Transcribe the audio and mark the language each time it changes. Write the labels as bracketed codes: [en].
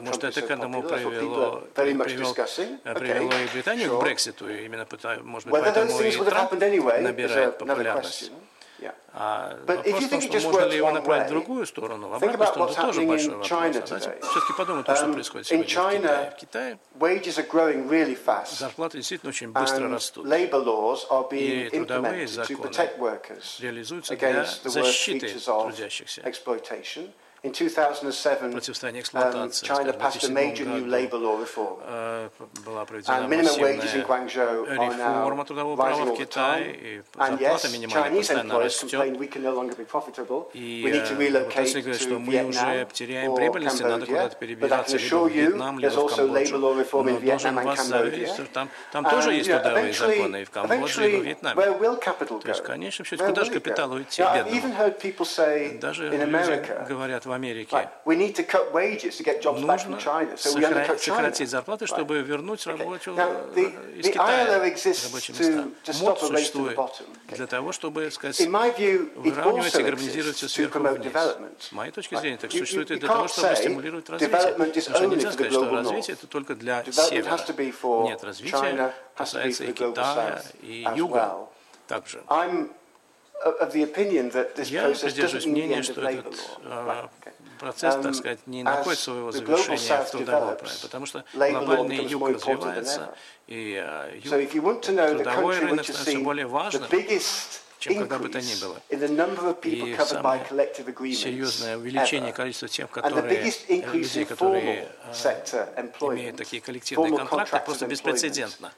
[ru] Может, это к этому привело и Британию к Брекситу, и именно, может быть, поэтому и Трамп набирает популярность. [en] Yeah. [ru] А вопрос в том, что можно ли его направить в другую сторону, в обратную сторону, это тоже большой вопрос. Все-таки подумайте, что происходит сегодня в Китае. [en] In China, wages are growing really fast, [ru] зарплаты действительно очень быстро растут. [en] And labor laws are being implemented to protect workers against the worst features of exploitation. In 2007, China passed a major new labor law reform. And minimum wages in Guangzhou are now rising all the time. And yes, Chinese employers complain we can no longer be profitable. We need to relocate to Vietnam or Cambodia. But I can assure you, there's also labor law reform in Vietnam and Cambodia. [ru] Там тоже есть трудовые законы и в Камбодже и в Вьетнаме. [en] Where will capital go? [ru] То есть, конечно, все. Куда же капитал уйти? Бедно. [en] I've even heard people say in America. [ru] В Америке. [en] We need to cut wages to get jobs back from China. So we undercut China. [ru] Сократить зарплаты, чтобы вернуть рабочих из Китая. [en] The ILO exists to stop a race to the bottom. [ru] Для того, чтобы, выравнивать и гармонизировать все сверху вниз. С моей точки зрения, так существует и для того, чтобы стимулировать развитие. Потому что нельзя сказать, что развитие это только для севера. Нет, развитие касается и Китая, и юга также. [en] Of the opinion that this process doesn't mean the end of labor law. [ru] Процесс, не находит своего завершения в трудовом праве, потому что глобальный юг развивается, и юг, трудовой рынок становится все более важным, чем когда бы то ни было. И самое серьезное увеличение количества тех, людей, которые имеют такие коллективные контракты, просто беспрецедентно.